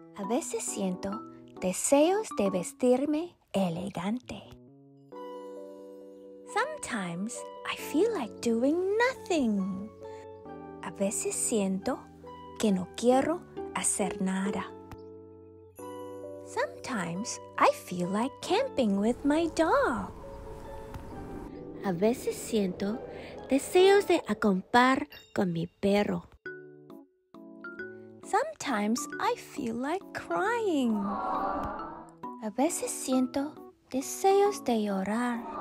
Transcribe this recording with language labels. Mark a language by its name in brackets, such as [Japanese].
[Spanish] A veces siento deseos de vestirme elegante. [English] Sometimes I feel like doing nothing. [Spanish] A veces siento que no quiero hacer nada. [English] Sometimes I feel like camping with my dog. [Spanish] A veces siento deseos de acampar con mi perro. [English] Sometimes I feel like crying. [Spanish] A veces siento deseos de llorar.